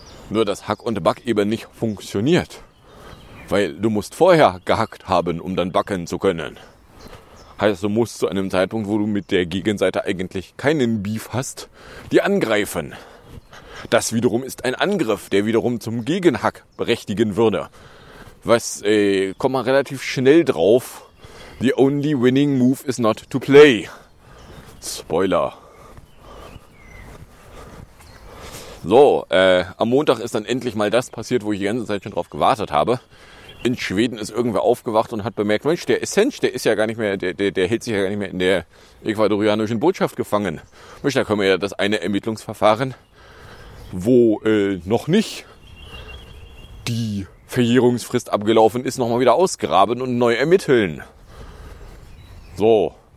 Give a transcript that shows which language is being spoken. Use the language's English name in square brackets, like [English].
[German] Nur, dass Hack und Back eben nicht funktioniert. Weil du musst vorher gehackt haben, um dann backen zu können. Heißt, du musst zu einem Zeitpunkt, wo du mit der Gegenseite eigentlich keinen Beef hast, die angreifen. Das wiederum ist ein Angriff, der wiederum zum Gegenhack berechtigen würde. Was, kommt man relativ schnell drauf. [English] The only winning move is not to play. [German] Spoiler. So, am Montag ist dann endlich mal das passiert, wo ich die ganze Zeit schon drauf gewartet habe. In Schweden ist irgendwer aufgewacht und hat bemerkt, Mensch, der Assange, der ist ja gar nicht mehr, der hält sich ja gar nicht mehr in der ecuadorianischen Botschaft gefangen. Mensch, da können wir ja das eine Ermittlungsverfahren, wo noch nicht die Verjährungsfrist abgelaufen ist, nochmal wieder ausgraben und neu ermitteln. So.